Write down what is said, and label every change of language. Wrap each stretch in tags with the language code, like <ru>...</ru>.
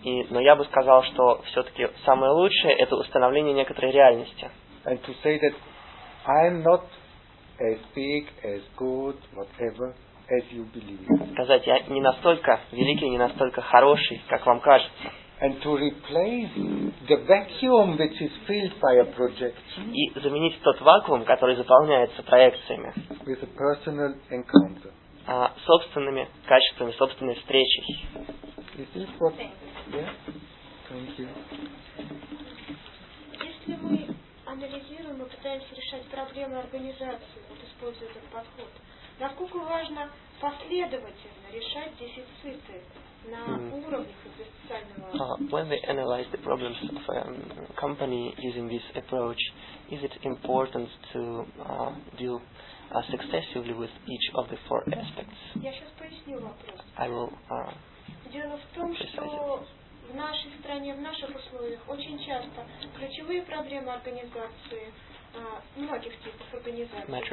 <ru>Но я бы сказал, что все-таки самое лучшее – это установление некоторой реальности.</ru> <en>And to say that I'm not as big, as good, whatever, as you believe.</en> <ru>Сказать, я не настолько великий, не настолько хороший, как вам кажется.</ru> <en>And to replace the vacuum which is filled by a projection.</en> <ru>И заменить тот вакуум, который заполняется проекциями.</ru> <en>With a personal encounter.</en> <ru>Собственными качествами, собственной встречей.</ru> <en>Is this what? Yeah. Thank you.</en> <ru>Если мы анализируем и пытаемся решать проблемы организации, вот используя этот подход, насколько важно последовательно решать дефициты на уровнях экзистенциального...</ru> <en>When we analyze the problems of a company using this approach, is it important to deal successively with each of the four aspects?</en> <ru>Я сейчас поясню вопрос.</ru> <en>I will,</en> <ru>Дело в том, что... В нашей стране, в наших условиях, очень часто ключевые проблемы организации, многих типов организаций,</ru>